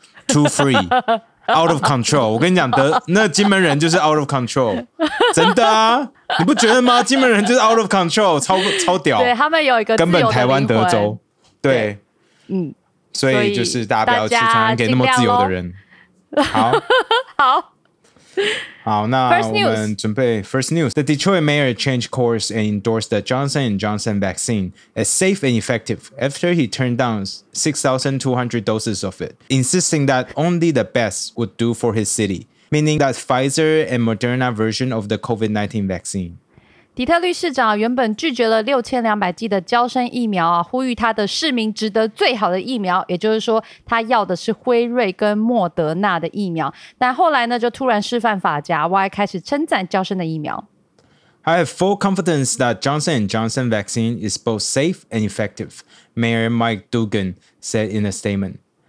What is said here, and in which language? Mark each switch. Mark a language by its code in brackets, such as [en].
[en] Too free out of control， [zh] 我跟你讲，那金门人就是 [en] out of control， [zh] 真的啊，你不觉得吗？金门人就是 [en] out of control， [zh] 超屌。对，他们有一个根本台湾德州。对, 对，所以就是大家不要去传染给那么自由的人。好好好，那我们准备 First News。 [en] The Detroit mayor changed course and endorsed the Johnson & Johnson vaccine as safe and effective after he turned down 6,200 doses of it, insisting that only the best would do for his city, meaning that Pfizer and Moderna version of the COVID-19 vaccine。 [zh] 底特律市长原本拒绝了6200剂的娇生疫苗，呼吁他的市民值得最好的疫苗，也就是说他要的是辉瑞跟莫德纳的疫苗，但后来呢就突然释放法家，我还开始称赞娇生的疫苗。 [en] I have full confidence that Johnson & Johnson vaccine is both safe and effective, Mayor Mike Dugan said in a statement.